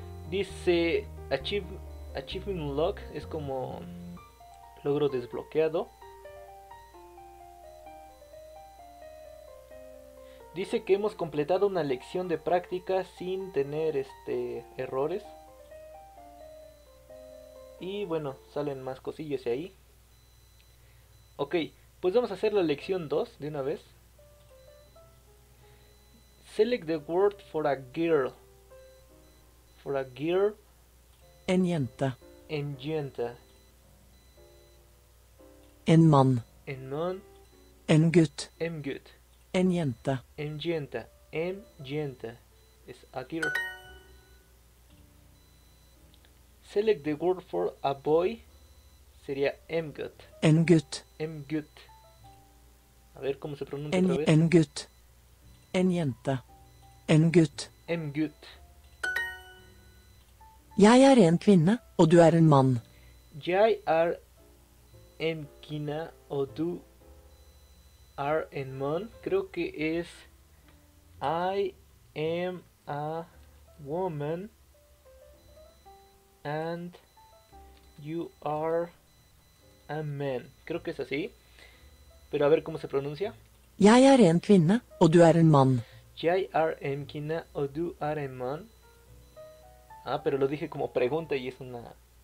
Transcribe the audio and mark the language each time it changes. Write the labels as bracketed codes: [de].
[es] Dice, [en] achievement unlock. [es] Es como logro desbloqueado. Dice que hemos completado una lección de práctica sin tener errores. Y bueno, salen más cosillas ahí. Ok. Pues vamos a hacer la lección 2 de una vez. [en] Select the word for a girl. For a girl. [no] En jenta. En jenta. En man. En man. En gutt. En gutt. En jenta. En jenta. En jenta. [es] Es a girl. [no] Select the word for a boy. Sería en gutt. En gutt. En gutt. [es] A ver cómo se pronuncia [no] en, [es] otra vez. [no] En gutt. En jenta. En gutt. En gutt. Jeg en kvinne, og du en mann. Jeg en kvinne, og du en mann. [es] Creo que es... [en] I am a woman. And you a man. [es] Creo que es así. Pero a ver cómo se pronuncia. [no] Jeg en kvinne, og du en mann. J.R.M. Kina Odu Areman. [es] Ah, pero lo dije como pregunta y es una.